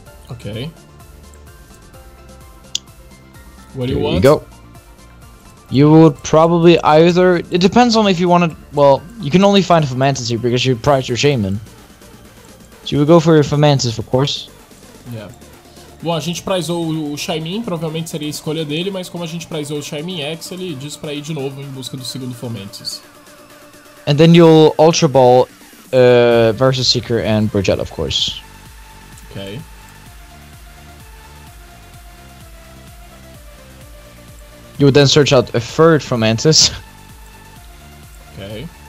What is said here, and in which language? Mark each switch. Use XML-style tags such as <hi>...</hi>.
<en>Okay. What do you want? There you go. You would probably either... It depends on if you want to... Well, you can only find a Fomantis here because you prize your Shaman. So you would go for your Fomantis, of course. Yeah.</en> <pt>Bom, a gente prizou o Shaymin, provavelmente seria a escolha dele, mas como a gente prizou o Shaymin X, ele diz pra ir de novo em busca do segundo Fomantis.</pt> <en>And then you'll Ultra Ball versus Seeker and Brigitte, of course. Okay. You would then search out a third Fomantis. Okay.</en>